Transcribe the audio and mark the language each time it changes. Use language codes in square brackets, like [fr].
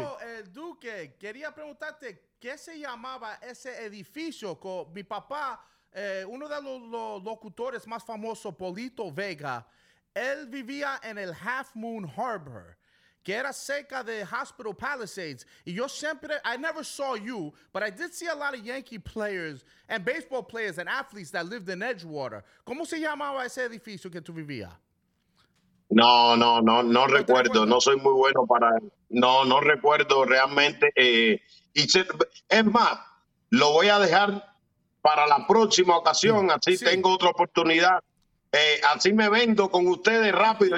[es] No, el Duque, quería preguntarte, ¿qué se llamaba ese edificio? Con mi papá, uno de los locutores más famosos, Polito Vega, él vivía en el Half Moon Harbor, que era cerca de Hospital Palisades. Y yo siempre, [en] I never saw you, but I did see a lot of Yankee players and baseball players and athletes that lived in Edgewater. [es] ¿Cómo se llamaba ese edificio que tú vivías? No recuerdo. No soy muy bueno para... No recuerdo realmente. Es más, lo voy a dejar para la próxima ocasión. Así sí. Tengo otra oportunidad. Así me vendo con ustedes rápido.